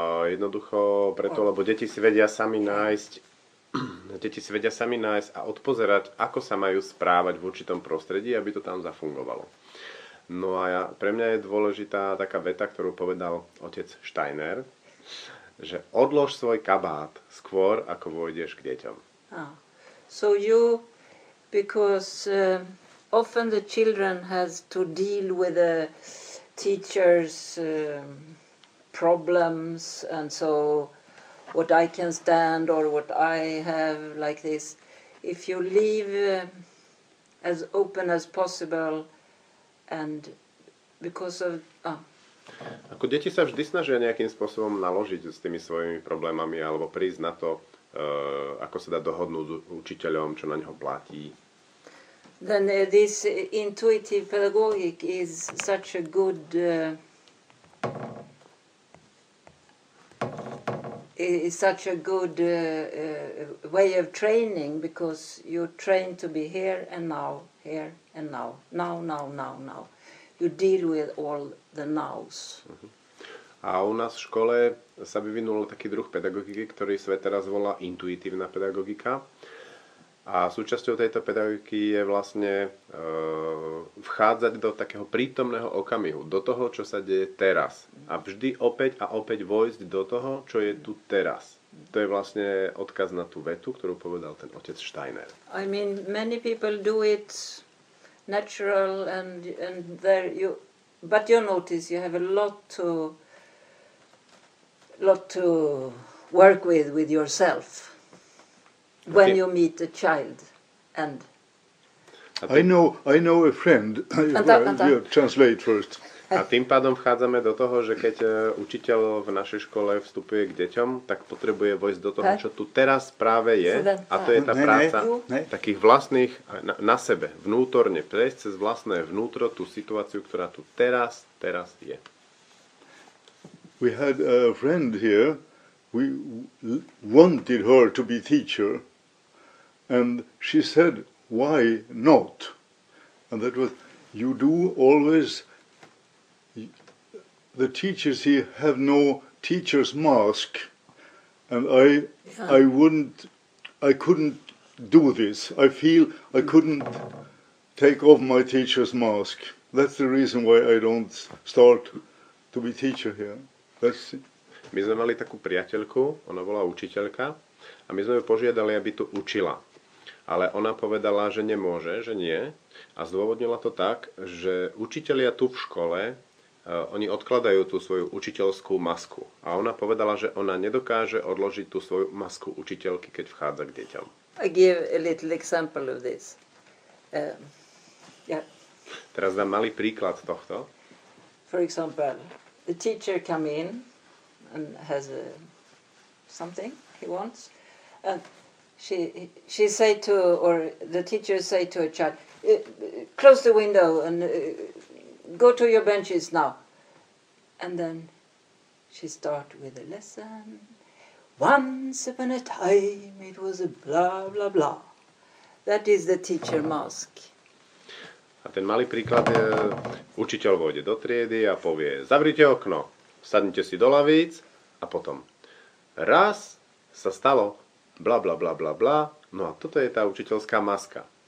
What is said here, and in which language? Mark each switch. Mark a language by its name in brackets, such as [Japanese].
[Slovak] Jednoducho preto, lebo deti si vedia sami nájsť a odpozerať, ako sa majú správať v určitom prostredí, aby to tam zafungovalo. No a pre mňa je dôležitá taká veta, ktorú povedal otec Steiner, že odlož svoj kabát skôr, ako vôjdeš k deťom. [English] So you, because often the children has to deal with a teachers problems and so what I can stand or what I have like this, if you leave as open as possible and because of [Slovak] ako deti sa vždy snažia nejakým spôsobom naložiť s tými svojimi problémami alebo prísť na to ako sa dá dohodnúť s učiteľom, čo na neho platí. [English] Then this intuitive pedagogic is such a good way of training, because you train to be here and now, now. You deal with all the nows. [Slovak] A u nás v škole sa vyvinul taký druh pedagogiky, ktorý svet teraz volá intuitívna pedagogika. A súčasťou tejto pedagogiky je vlastne vchádzať do takého prítomného okamihu, do toho, čo sa deje teraz. A vždy opäť a opäť vojsť do toho, čo je tu teraz. To je vlastne odkaz na tú vetu, ktorú povedal ten otec Steiner. [English] I mean, many people do it natural and there you, but you notice you have a lot to work with yourself. When you meet a child, and I know a friend. We'll translate first. [Slovak] A tým pádom vchádzame do toho, že keď učiteľ v našej škole vstupuje k deťom, tak potrebuje vojsť do toho, čo tu teraz práve je, a to je tá práca takých vlastných na sebe, vnútorne, prejsť cez vlastné vnútro tú situáciu, ktorá tu teraz je. [English] We had a friend here. We wanted her to be teacher, and she said, why not? And that was, you do always, the teachers here have no teacher's mask, and I couldn't do this. I feel I couldn't take off my teacher's mask. That's the reason why I don't start to be teacher here. That's it. [Slovak] My sme mali takú priateľku, ona bola učiteľka, a my sme ju požiadali, aby tu učila. Ale ona povedala, že nemôže, že nie, a zdôvodnila to tak, že učitelia tu v škole, oni odkladajú tú svoju učiteľskú masku. A ona povedala, že ona nedokáže odložiť tú svoju masku učiteľky, keď vchádza k deťom. [English] I give a little example of this. [Slovak] Teraz dám malý príklad tohto. [English] For example, the teacher come in and has something he wants, and she say to, or the teacher say to a child, close the window and go to your benches now. And then she start with a lesson. Once upon a time it was a blah blah blah. That is the teacher mask. [Slovak] A ten malý príklad je, učiteľ vôjde do triedy a povie, zavrite okno, sadnite si do lavíc. A potom, raz sa stalo, bla bla bla bla bla. No a toto je tá učiteľská maska.